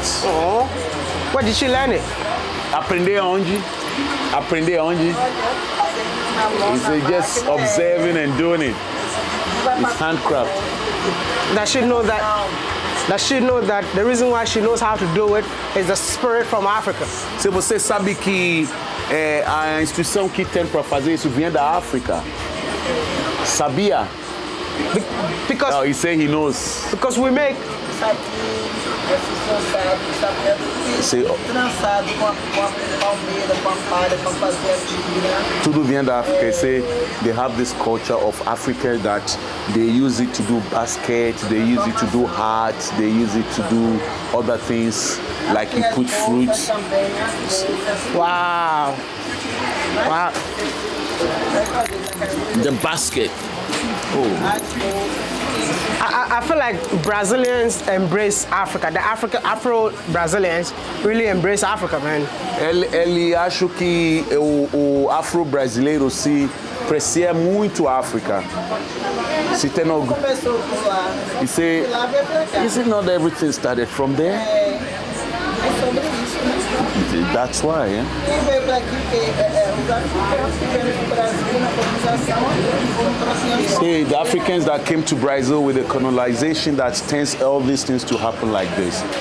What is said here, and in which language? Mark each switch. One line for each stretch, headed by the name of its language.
English: Oh. Where did she learn it?
Portuguese: Aprender onde?
English: Is it just observing and doing it? It's handcraft. Does she know that the reason why she knows how to do it is the spirit from Africa?
Portuguese: Se você sabe que a instituição que tem para fazer isso vem da África. Sabia?
English: Because he say he knows. Because we make.
Portuguese: Tudo vem da África.
English: Say they have this culture of Africa that they use it to do baskets, they use it to do hats, they use it to do other things like you put fruits. Wow. Wow. The basket. Oh. I feel like Brazilians embrace Africa. The Afro-Brazilians really embrace Africa, man.
Portuguese: Ele acho que o Afro-Brasileiro se aprecia muito a África. Se tem algo...
English: He say, is it not everything started from there? That's why, See, the Africans that came to Brazil with the colonization that tends all these things to happen like this.